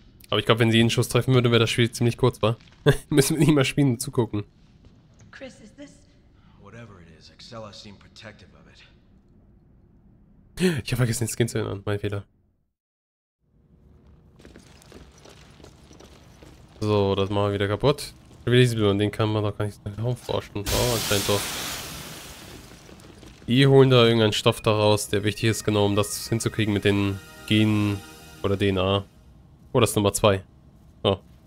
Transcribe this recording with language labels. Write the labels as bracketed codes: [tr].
[de] Aber ich glaube, wenn sie einen Schuss treffen würde, wäre das Spiel ziemlich kurz, wa? Müssen wir nicht mal spielen und zugucken. Chris, ist das? [en] Whatever it is, Excella seemed protective of it. [de] Ich habe vergessen, den Skin zu ändern. Mein Fehler. So, das machen wir wieder kaputt. Und den kann man doch gar nicht so genau forschen. Oh, anscheinend doch. Die holen da irgendeinen Stoff daraus, der wichtig ist, genau, um das hinzukriegen mit den Genen oder DNA. Oh, das ist Nummer 2. Oh.